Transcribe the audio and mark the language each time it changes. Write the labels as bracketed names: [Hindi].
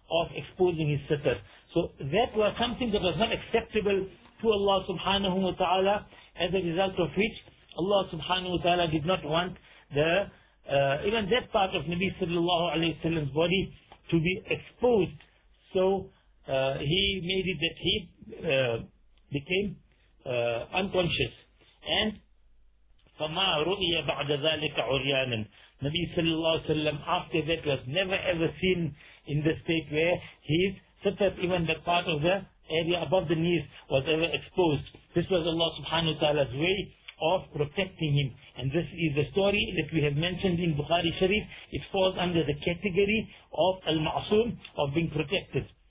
[English] of exposing his sitter. So that was something that was not acceptable to Allah subhanahu wa ta'ala, as a result of which Allah subhanahu wa ta'ala did not want the even that part of Nabi sallallahu alayhi wa sallam's body to be exposed. So he made it that he became unconscious. And [Arabic] فَمَا رُؤِيَ بَعْدَ ذَلِكَ عُرْيَانًا. [English] Nabi sallallahu alayhi wa sallam after that was never ever seen in the state where he's set up, even the part of the area above the knees was ever exposed. This was Allah subhanahu wa ta'ala's way of protecting him. And this is the story that we have mentioned in Bukhari Sharif. It falls under the category of al-ma'soom, of being protected.